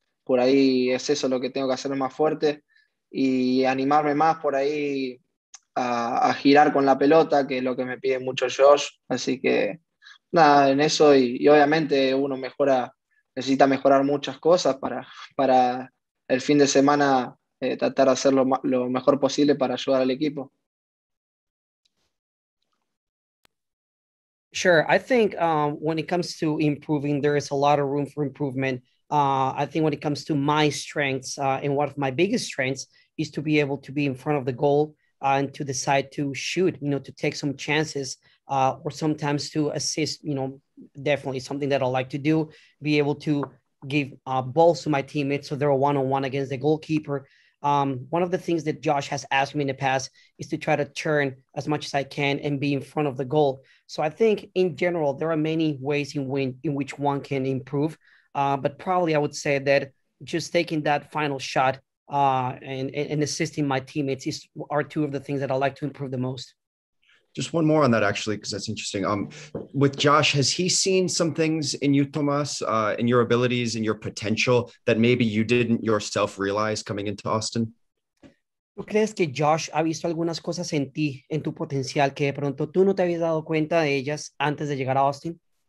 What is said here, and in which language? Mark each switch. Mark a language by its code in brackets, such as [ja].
[es] Por ahí es eso lo que tengo que hacer más fuerte y animarme más por ahí a girar con la pelota, que es lo que me pide mucho Josh, así que nada, en eso, y obviamente uno mejora, necesita mejorar muchas cosas para el fin de semana tratar de hacer lo mejor posible para ayudar al equipo. [en] Sure, I think when it comes to improving, there is a lot of room for improvement. I think when it comes to my strengths, and one of my biggest strengths is to be able to be in front of the goal and to decide to shoot, you know, to take some chances. Or sometimes to assist, you know, definitely something that I like to do, be able to give balls to my teammates so they're a one-on-one against the goalkeeper. One of the things that Josh has asked me in the past is to try to turn as much as I can and be in front of the goal. So I think in general, there are many ways in which one can improve, but probably I would say that just taking that final shot and assisting my teammates are two of the things that I like to improve the most. Just one more on that, actually, because that's interesting. With Josh, has he seen some things in you, Tomas, in your abilities and your potential that maybe you didn't yourself realize coming into Austin? [es] ¿Tú crees que Josh ha visto algunas cosas en ti, en tu potencial, que de pronto tú no te habías dado cuenta de ellas antes de llegar a Austin?